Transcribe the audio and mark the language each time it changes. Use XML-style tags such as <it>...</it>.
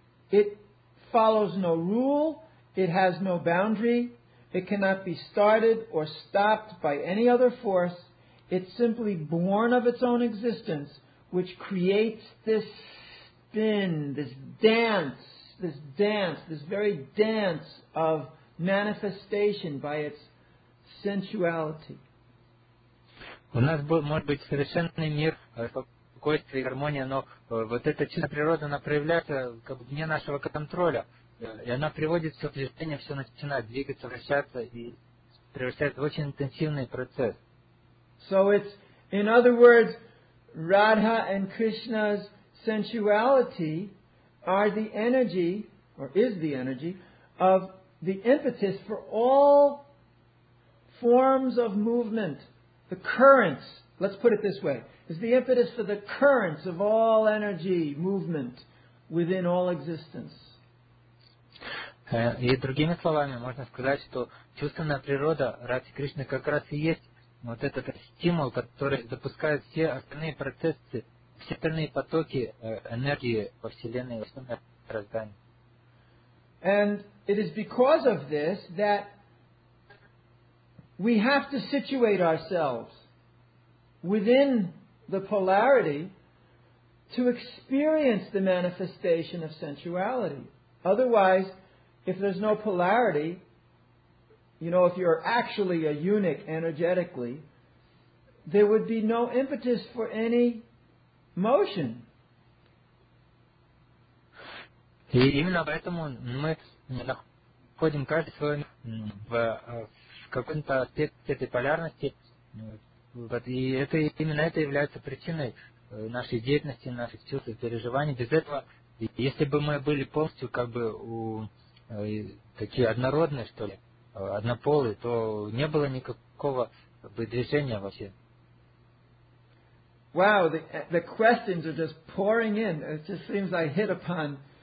<en>it follows no rule, it has no boundary, it cannot be started or stopped by any other force, it's simply born of its own existence, which creates this spin, this dance, this very dance of manifestation by its sensuality.</en> <ru>У нас может быть совершенный мир, спокойствие, гармония, но вот эта чистая природа, она проявляется как бы вне нашего контроля, и она приводит все в движение, все начинает двигаться, вращаться, и превращается в очень интенсивный процесс.</ru> <en>So it's, in other words, Radha and Krishna's sensuality are the energy, or is the energy, of the impetus for all forms of movement. The currents, let's put it this way, is the impetus for the currents of all energy movement within all existence.</en> <ru>И другими словами, можно сказать, что чувственная природа Радхи Кришны как раз и есть вот этот стимул, который запускает все остальные процессы, все остальные потоки энергии во Вселенной, во всем мироздании.</ru> <en>And it is because of this that we have to situate ourselves within the polarity to experience the manifestation of sensuality. Otherwise, if there's no polarity, you know, if you're actually a eunuch energetically, there would be no impetus for any motion.</en> <ru>И именно поэтому мы находим каждый свой в каком-то аспекте этой полярности. Вот, и это, именно это является причиной нашей деятельности, наших чувств и переживаний. Без этого, если бы мы были полностью как бы такие однородные, что ли, однополые, то не было никакого бы движения вообще.</ru> <en>Wow, the questions are just pouring in. It just seems I hit upon...</en>